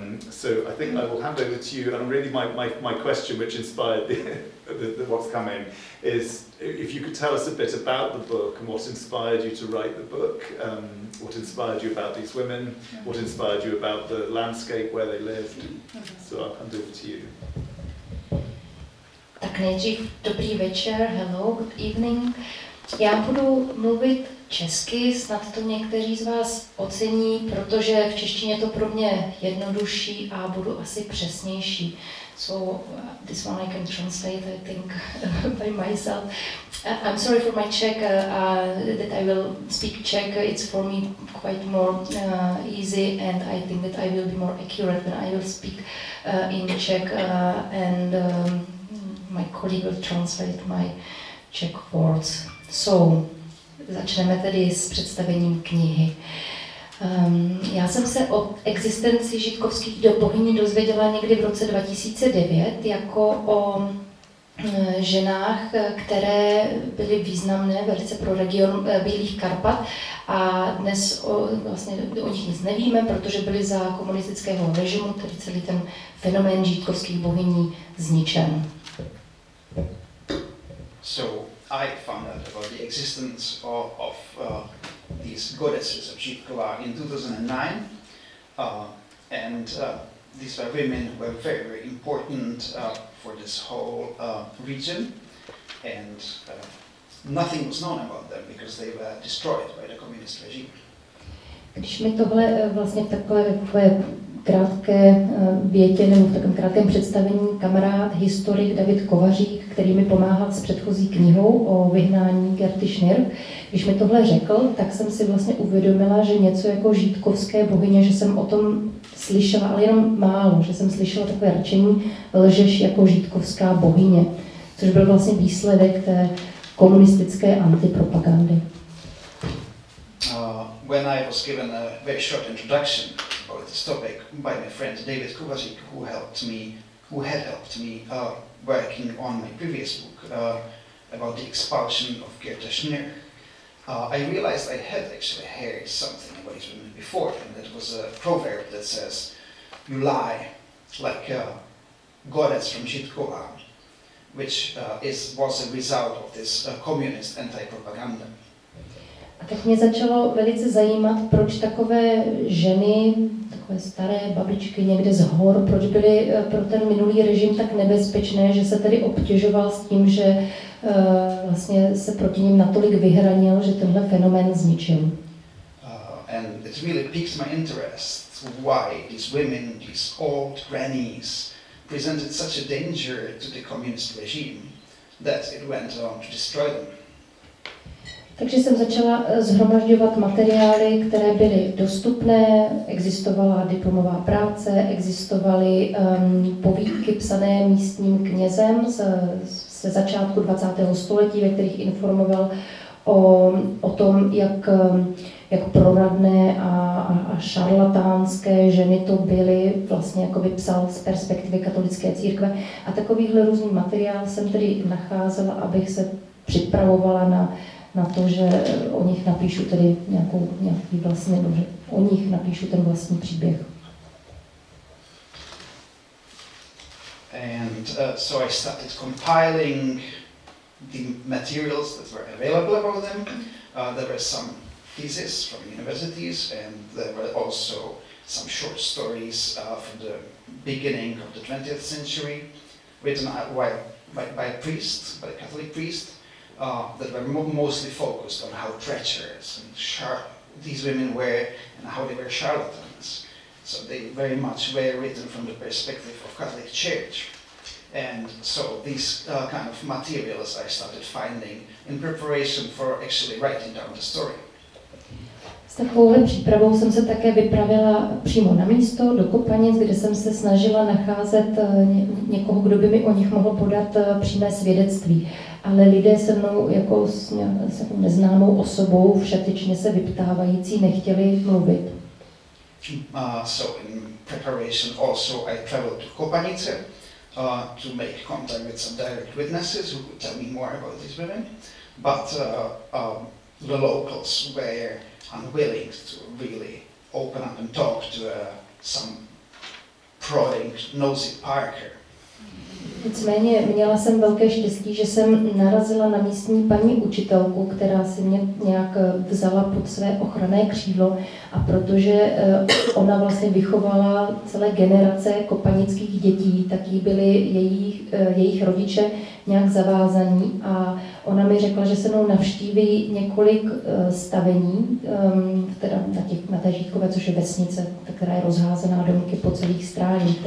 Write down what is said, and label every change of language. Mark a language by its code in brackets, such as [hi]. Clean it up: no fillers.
[en] So I think I will hand over to you, and really my question, which inspired the what's coming, is if you could tell us a bit about the book and what inspired you to write the book, what inspired you about these women, what inspired you about the landscape where they lived. So I'll hand over to you. [cs] Tak nejdřív dobrý večer, [en] hello, good evening. [cs] Já budu mluvit česky, snad to někteří z vás ocení, protože v češtině to pro mě jednodušší a budu asi přesnější. [en] So this one I can translate, I think, by myself. I'm sorry for my Czech, that I will speak Czech. It's for me quite more easy, and I think that I will be more accurate when I will speak in Czech and my colleague will translate my Czech words. [cs] So, začneme tedy s představením knihy. Já jsem se o existenci židkovských bohyní dozvěděla někdy v roce 2009 jako o ženách, které byly významné velice pro region Bílých Karpat, a dnes o nich nic nevíme, protože byly za komunistického režimu, tedy celý ten fenomén židkovských bohyní zničen. [en] So I found out about the existence of these goddesses of Tučková in 2009, and these are women who were very, very important for this whole region, and nothing was known about them because they were destroyed by the communist regime. [cs] Když mi tohle vlastně takové krátké větě nebo v takovém krátkém představení kamarád historik David Kovařík, který mi pomáhal s předchozí knihou o vyhnání Gerty Schnirr, když mi tohle řekl, tak jsem si vlastně uvědomila, že něco jako židkovské bohyně, že jsem o tom slyšela, ale jenom málo, že jsem slyšela takové rčení, lžeš jako židkovská bohyně, což byl vlastně výsledek té komunistické antipropagandy. [en] When I was given a very short introduction about this topic by my friend David Kovařík, who had helped me working on my previous book about the expulsion of Gerda Schnirr, I realized I had actually heard something about these women before, and that was a proverb that says, you lie like a goddess from Žitkova, which was a result of this communist anti-propaganda. [cs] A tak mě začalo velice zajímat, proč takové ženy, takové staré babičky někde z hor, proč byly pro ten minulý režim tak nebezpečné, že se tedy obtěžoval s tím, že vlastně se proti ním natolik vyhranil, že tenhle fenomén zničil. [en] And it really piqued my interest why these women, these old grannies, presented such a danger to the communist regime that it went on to destroy them. [cs] Takže jsem začala zhromažďovat materiály, které byly dostupné, existovala diplomová práce, existovaly povídky psané místním knězem ze začátku 20. století, ve kterých informoval o tom, jak proradné a šarlatánské ženy to byly, vlastně jako by psal z perspektivy katolické církve. A takovýhle různý materiál jsem tedy nacházela, abych se připravovala na to, že o nich napíšu tedy nějaký vlastně, nebo že o nich napíšu ten vlastní příběh. [en] And so I started compiling the materials that were available about them. There were some theses from universities, and there were also some short stories from the beginning of the 20th century. written by a priest, by a Catholic priest, that were mostly focused on how treacherous and sharp these women were and how they were charlatans. So they very much were written from the perspective of Catholic Church. And so these kind of materials I started finding in preparation for actually writing down the story. [cs] S takovouhle přípravou jsem se také vypravila přímo na místo, do Kopanic, kde jsem se snažila nacházet někoho, kdo by mi o nich mohl podat přímé svědectví. Ale lidé se mnou jako s nějakou neznámou osobou, všetečně se vyptávající, nechtěli mluvit. [en] So in preparation also I traveled to Kopanice to make contact with some direct witnesses who could tell me more about these women, but the locals were unwilling to really open up and talk to some prodding, nosy parker. [cs] Nicméně měla jsem velké štěstí, že jsem narazila na místní paní učitelku, která si mě nějak vzala pod své ochranné křídlo, a protože ona vlastně vychovala celé generace kopanických dětí, tak jí byly jejich rodiče nějak zavázaní, a ona mi řekla, že se mnou navštíví několik stavení, teda na té Žítkové, což je vesnice, která je rozházená domky po celých stráních.